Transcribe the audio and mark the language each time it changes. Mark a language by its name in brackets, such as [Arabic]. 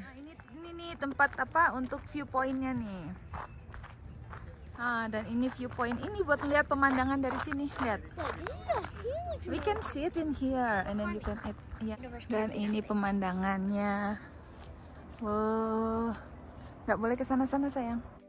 [Indonesian] Nah, ini tempat apa untuk viewpointnya nih? Ah, dan ini viewpoint ini buat lihat pemandangan dari sini. Lihat. [English] We can see it in here and then you can eat. Yeah. [Indonesian] Dan ini pemandangannya. Wow. Gak boleh kesana-sana sayang.